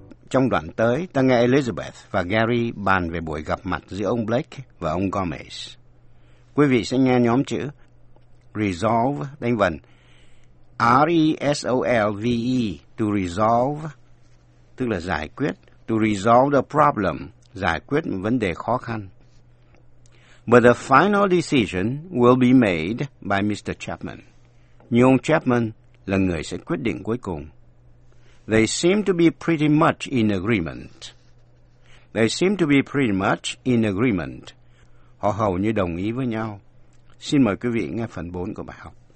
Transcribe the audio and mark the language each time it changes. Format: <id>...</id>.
<vi>Trong đoạn tới, ta nghe Elizabeth và Gary bàn về buổi gặp mặt giữa ông Blake và ông Gomez. Quý vị sẽ nghe nhóm chữ resolve đánh vần R-E-S-O-L-V-E, to resolve, tức là giải quyết,</vi> <en>to resolve the problem,</en> <vi>giải quyết một vấn đề khó khăn.</vi> <en>But the final decision will be made by Mr. Chapman.</en> <vi>Nhưng ông Chapman là người sẽ quyết định cuối cùng.</vi> <en>They seem to be pretty much in agreement. They seem to be pretty much in agreement.</en> <vi>Họ hầu như đồng ý với nhau. Xin mời quý vị nghe phần 4 của bài học.</vi>